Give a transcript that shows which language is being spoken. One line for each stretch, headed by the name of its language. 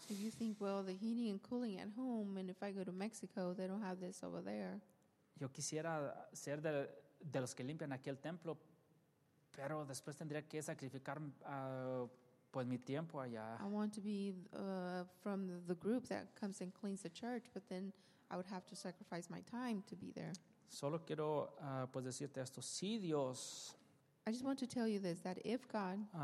English: If you think, well, the heating and cooling at home, and if I go to Mexico, they don't have this over there.
Spanish: Yo quisiera ser de los que limpian aquí el templo, pero después tendría que sacrificar pues mi tiempo allá.
English: I want to be from the group that comes and cleans the church, but then I would have to sacrifice my time to be there.
Spanish: Solo quiero pues decirte esto, sí, Dios.
English: I just want to tell you this, that if God